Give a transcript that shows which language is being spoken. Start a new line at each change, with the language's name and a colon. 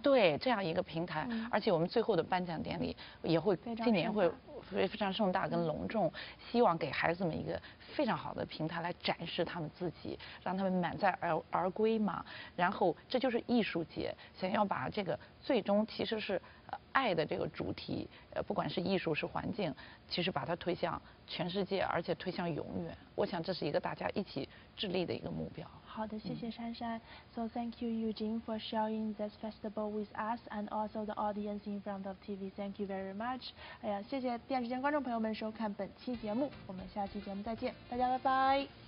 Chinese: 对这样一个平台，而且我们最后的颁奖典礼也会今年会非常盛大跟隆重，希望给孩子们一个非常好的平台来展示他们自己，让他们满载而归嘛。然后这就是艺术节，想要把这个最终其实是爱的这个主题，不管是艺术是环境，其实把它推向全世界，而且推向永远。我想这是一个大家一起致力的一个目标。好的，谢谢珊珊。
English: So thank you, Eugene, for sharing this festival with us and also the audience in front of TV. Thank you very much.
Chinese: 哎呀，谢谢电视机观众朋友们收看本期节目，我们下期节目再见，大家拜拜，